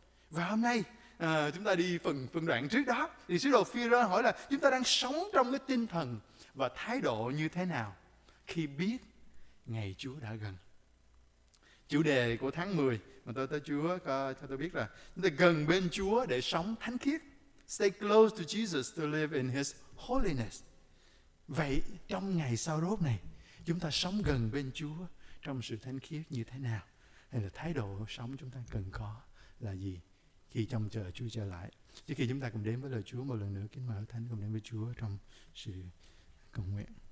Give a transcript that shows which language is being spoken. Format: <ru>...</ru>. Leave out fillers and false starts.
<vi>Và hôm nay chúng ta đi phần đoạn trước đó, thì sứ đồ Phi-e-rơ hỏi là chúng ta đang sống trong cái tinh thần và thái độ như thế nào khi biết ngày Chúa đã gần. Chủ đề của tháng 10 mà tôi tới Chúa cho tôi biết là chúng ta gần bên Chúa để sống thánh khiết.</vi> <en>Stay close to Jesus to live in His holiness.</en> <vi>Vậy trong ngày sau rốt này, chúng ta sống gần bên Chúa trong sự thánh khiết như thế nào? Hay là thái độ sống chúng ta cần có là gì khi trông chờ Chúa trở lại? Trước khi chúng ta cùng đến với lời Chúa một lần nữa, kính mời thánh cùng đến với Chúa trong sự cầu nguyện.</vi>